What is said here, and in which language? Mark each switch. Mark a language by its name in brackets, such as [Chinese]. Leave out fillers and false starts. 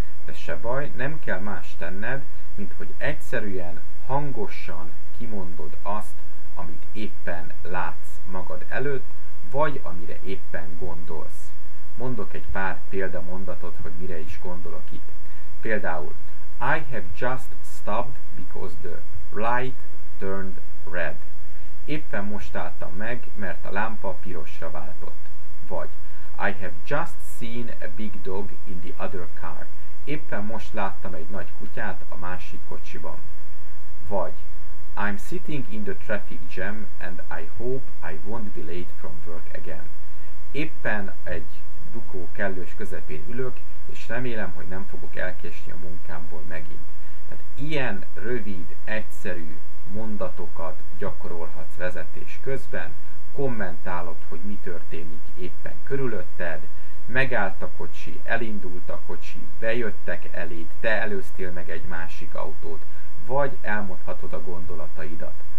[Hungarian] De se baj, nem kell más tenned, mint hogy egyszerűen hangosan kimondod azt, amit éppen látsz magad előtt, vagy amire éppen gondolsz. Mondok egy pár példamondatot, hogy mire is gondolok itt. Például, [English] I have just stopped because the light turned red. [Hungarian] Éppen most álltam meg, mert a lámpa pirosra váltott. Vagy, [English] I have just seen a big dog in the other car. [Hungarian] Éppen most láttam egy nagy kutyát a másik kocsiban. Vagy, [English] I'm sitting in the traffic jam and I hope I won't be late from work again. [Hungarian] Éppen egy dugó kellős közepén ülök, és remélem, hogy nem fogok elkésni a munkámból megint. Tehát ilyen rövid, egyszerű mondatokat gyakorolhatsz vezetés közben, kommentálod, hogy mi történik éppen körülötted, megállt a kocsi, elindult a kocsi, bejöttek eléd, te előztél meg egy másik autót, vagy elmondhatod a gondolataidat.